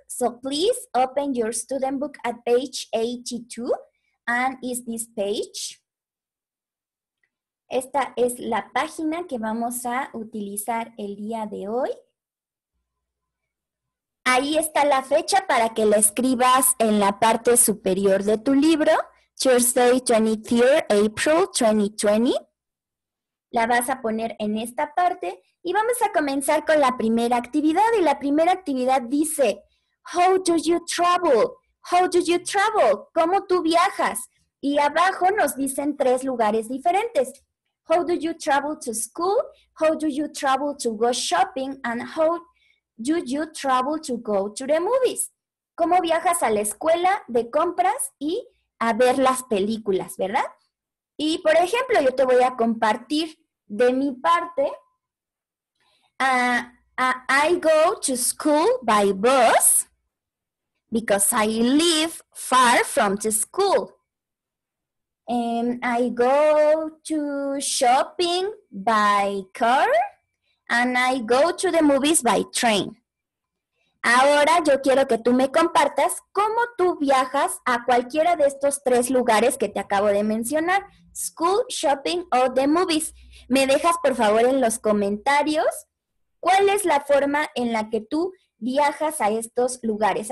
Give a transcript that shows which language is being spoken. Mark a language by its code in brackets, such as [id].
[en] So please open your student book at page 82. And is this page. [es] Esta es la página que vamos a utilizar el día de hoy. Ahí está la fecha para que la escribas en la parte superior de tu libro. [en] Thursday, 23rd, April, 2020. [es] La vas a poner en esta parte. Y vamos a comenzar con la primera actividad. Y la primera actividad dice, [en] How do you travel? How do you travel? [es] ¿Cómo tú viajas? Y abajo nos dicen tres lugares diferentes. [en] How do you travel to school? How do you travel to go shopping? And how do you travel to go to the movies? [es] ¿Cómo viajas a la escuela de compras y a ver las películas, verdad? Y, por ejemplo, yo te voy a compartir de mi parte. [en] I go to school by bus because I live far from the school. And I go to shopping by car. And I go to the movies by train. [es] Ahora yo quiero que tú me compartas cómo tú viajas a cualquiera de estos tres lugares que te acabo de mencionar. [en] School, shopping [es] o [en] the movies. [es] Me dejas por favor en los comentarios cuál es la forma en la que tú viajas a estos lugares.